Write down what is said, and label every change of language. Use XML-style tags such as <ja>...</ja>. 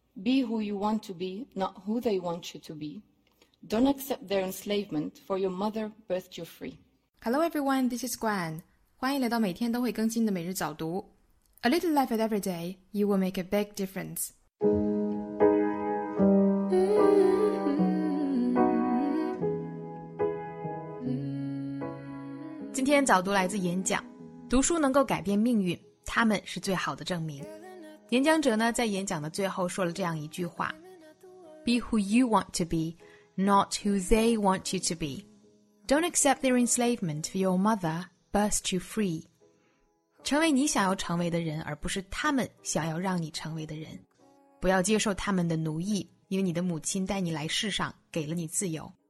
<en>Be who you want to be, not who they want you to be. Don't accept their enslavement, for your mother birthed you free. Hello everyone, this is Gwen.</en> <zh>欢迎来到每天都会更新的每日早读。</zh> <en>A little life at every day, you will make a big difference. Mm-hmm.</en> <zh>今天早读来自演讲，读书能够改变命运，他们是最好的证明。演讲者呢，在演讲的最后说了这样一句话 Be who you want to be, not who they want you to be.</zh> <en>Don't accept their enslavement, your mother burst you free.</en> <zh>成为你想要成为的人，而不是他们想要让你成为的人。不要接受他们的奴役，因为你的母亲带你来世上，给了你自由。</zh>